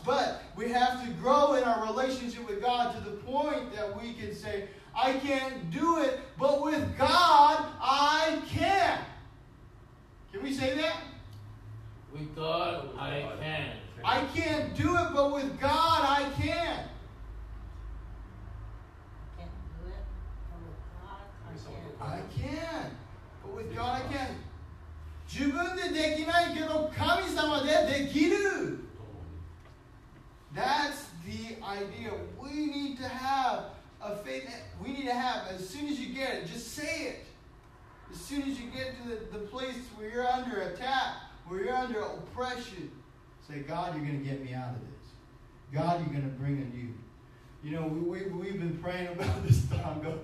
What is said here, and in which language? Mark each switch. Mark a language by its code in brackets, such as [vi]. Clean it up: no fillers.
[en] But we have to grow in our relationship with God to the point that we can say, I can't do it, but with God, I can. Can we say that? With God, I can. I can't do it, but with God, I can. Can't do it, but with God, I can. I can, but with God, I can. [ja] 自分でできないけど神様でできる. [en] That's the idea we need to have. A faith that we need to have, as soon as you get it, just say it. As soon as you get to the place where you're under attack, where you're under oppression, say, God, you're going to get me out of this. God, you're going to bring a new. You know, we've been praying about this time.